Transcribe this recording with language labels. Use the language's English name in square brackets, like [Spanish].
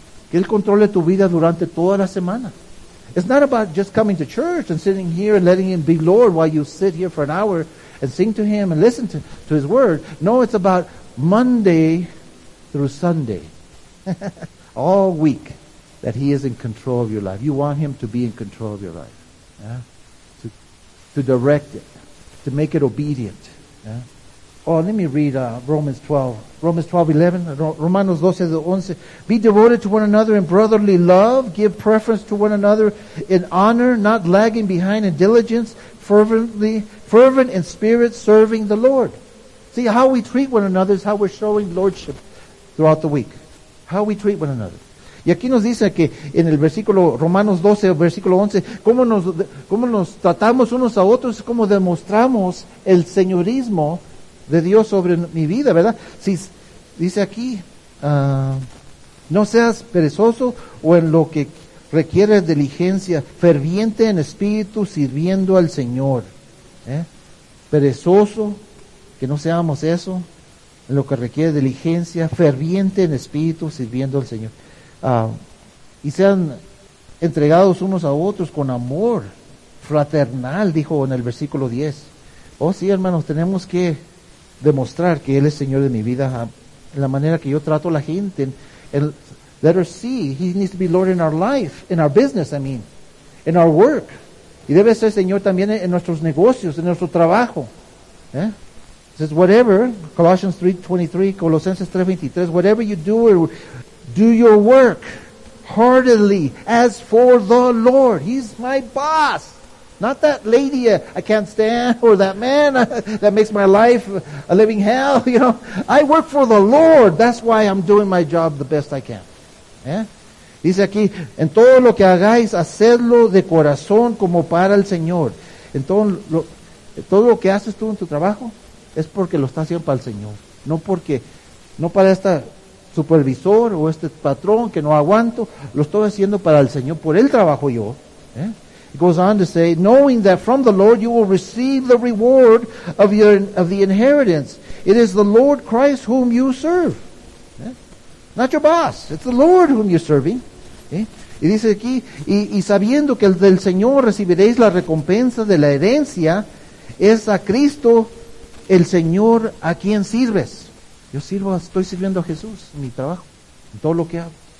[Spanish] Que Él controle tu vida durante toda la semana. [English] It's not about just coming to church and sitting here and letting Him be Lord while you sit here for an hour and sing to Him and listen to His Word. No, it's about Monday through Sunday. All week. That He is in control of your life. You want Him to be in control of your life. Yeah? To to direct it, to make it obedient. Yeah? Oh, let me read Romans 12:11. Romanos 12:11. Be devoted to one another in brotherly love. Give preference to one another in honor, not lagging behind in diligence, fervent in spirit, serving the Lord. See, how we treat one another is how we're showing lordship throughout the week. How we treat one another. [Spanish] Y aquí nos dice que en el versículo Romanos 12, versículo 11, cómo nos tratamos unos a otros, cómo demostramos el señorismo de Dios sobre mi vida, ¿verdad? Si dice aquí, no seas perezoso o en lo que requiere diligencia, ferviente en espíritu, sirviendo al Señor. Perezoso, que no seamos eso, en lo que requiere diligencia, ferviente en espíritu, sirviendo al Señor. Y sean entregados unos a otros con amor fraternal, dijo en el versículo 10. Oh sí, hermanos, tenemos que demostrar que Él es Señor de mi vida en la manera que yo trato a la gente. [English] Let her see, He needs to be Lord in our life, in our business, I mean, in our work. [Spanish] Y debe ser Señor también en nuestros negocios, en nuestro trabajo. [English] It says, whatever, Colosenses 3:23, whatever you do, do your work heartily as for the Lord. He's my boss. Not that lady I can't stand or that man that makes my life a living hell. You know, I work for the Lord. That's why I'm doing my job the best I can. [Spanish] Dice aquí, en todo lo que hagáis, hacedlo de corazón como para el Señor. Todo lo que haces tú en tu trabajo es porque lo estás haciendo para el Señor. No para esta supervisor o este patrón que no aguanto, lo estoy haciendo para el Señor, por él trabajo yo. [English] It goes on to say, knowing that from the Lord you will receive the reward of the inheritance. It is the Lord Christ whom you serve. Not your boss, it's the Lord whom you're serving. [Spanish] Y dice aquí, y sabiendo que el del Señor recibiréis la recompensa de la herencia, es a Cristo el Señor a quien sirves. Yo sirvo, estoy sirviendo a Jesús en mi trabajo, en todo lo que hago.